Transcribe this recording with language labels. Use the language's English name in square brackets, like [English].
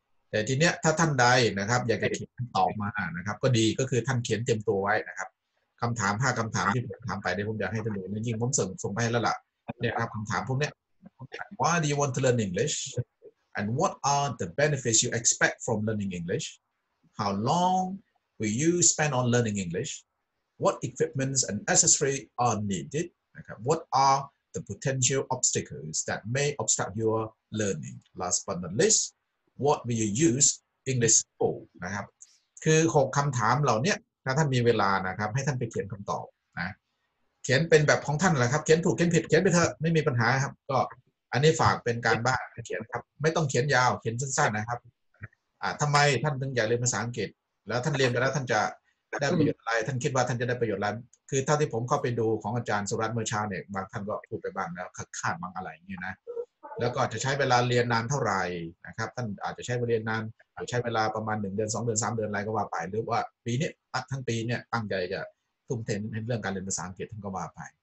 [Thai] แต่ทีเนี้ยถ้าท่านใดนะครับอยากจะเขียนตอบมานะครับก็ดีก็คือท่านเขียนเต็มตัวไว้นะครับคำถาม5คำถามที่ผมถามไปเดี๋ยวผมอยากให้ท่านดูจริงๆผมส่งไปแล้วล่ะเนี่ยครับคำถามพวกเนี้ย [English] Why do you want to learn EnglishAnd what are the benefits you expect from learning English? How long will you spend on learning English? What equipments and accessories are needed? Okay. What are the potential obstacles that may obstruct your learning? Last but not least, what will you use English for? [Thai] นะครับคือ6คำถามเหล่านี้ถ้าท่านมีเวลานะครับให้ท่านไปเขียนคำตอบนะเขียนเป็นแบบของท่านแหละครับเขียนถูกเขียนผิดเขียนไปเถอะไม่มีปัญหาครับก็อันนี้ฝากเป็นการบ้านเขียนครับไม่ต้องเขียนยาวเขียนสั้นๆนะครับ ทำไมท่านถึงอยากเรียนภาษาอังกฤษแล้วท่านเรียนไปแล้วท่านจะได้ประโยชน์อะไรท่านคิดว่าท่านจะได้ประโยชน์อะไรคือเท่าที่ผมเข้าไปดูของอาจารย์สุรัตน์เมื่อเช้าเนี่ยบางท่านก็พูดไปบ้างแล้วขาดบางอะไรเงี้ยนะแล้วก็จะใช้เวลาเรียนนานเท่าไหร่นะครับท่านอาจจะใช้เวลาเรียนนานหรือใช้เวลาประมาณ1เดือน2เดือน3เดือนอะไรก็ว่าไปหรือว่าปีนี้ทั้งปีเนี่ยตั้งใจจะทุ่มเทในเรื่องการเรียนภาษาอังกฤษท่านก็ว่าไป